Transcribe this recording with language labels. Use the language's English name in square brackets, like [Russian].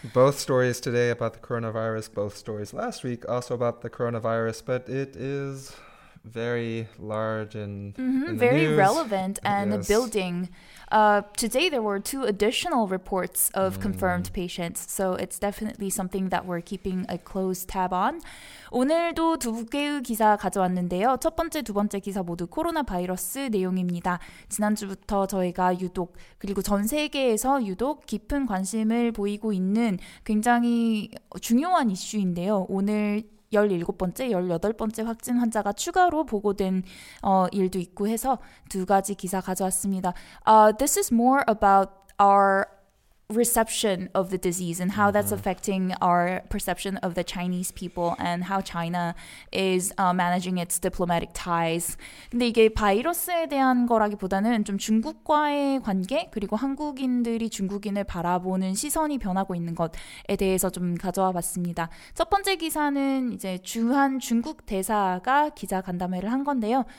[English] Both stories today about the coronavirus, both stories last week also about the coronavirus, but it is very large and very relevant and building. Today there were two additional reports of confirmed patients, so it's definitely something that we're keeping a close tab on. [Korean] 오늘도 두 개의 기사 가져왔는데요. 첫 번째, 두 번째 기사 모두 코로나 바이러스 내용입니다. 지난주부터 저희가 유독, 그리고 전 세계에서 유독 깊은 관심을 보이고 있는 굉장히 중요한 이슈인데요. 오늘 17번째, 18번째 확진 환자가 추가로 보고된 일도 있고 해서 두 가지 기사 가져왔습니다. [English] This is more about our reception of the disease and how that's affecting our perception of the Chinese people and how China is managing its diplomatic ties. [Korean] 근데 이게 바이러스에 대한 거라기보다는 좀 중국과의 관계 그리고 한국인들이 중국인을 바라보는 시선이 변하고 있는 것에 대해서 좀 가져와 봤습니다. 첫 번째 기사는 이제 주한중국대사가 기자 간담회를 한 건데요.